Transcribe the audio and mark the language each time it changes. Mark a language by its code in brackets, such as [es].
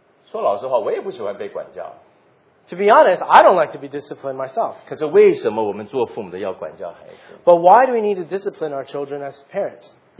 [zh] 说老实话，我也不喜欢被管教。 [en] To be honest, I don't like to be disciplined myself. [zh] 可是为什么我们做父母的要管教孩子？ [en] But why do we need to discipline our children as parents?